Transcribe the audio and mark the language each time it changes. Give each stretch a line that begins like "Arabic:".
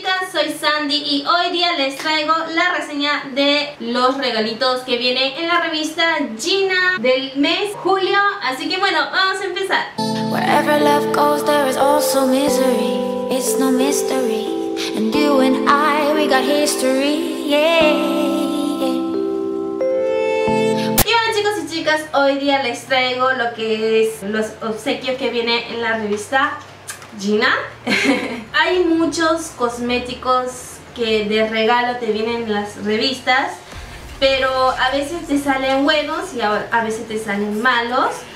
Spanish: soy Sandy y hoy día les traigo la reseña de los regalitos que viene en la revista Gina del mes julio. Así que bueno, vamos a empezar.
English: Wherever love goes, there is also misery. It's no mystery. And you and I, we got history, yeah.
Spanish: Y bueno, chicos y chicas, hoy día les traigo lo que es los obsequios que viene en la revista Gina. Hay muchos cosméticos que de regalo te vienen en las revistas, pero a veces te salen buenos y a veces te salen malos.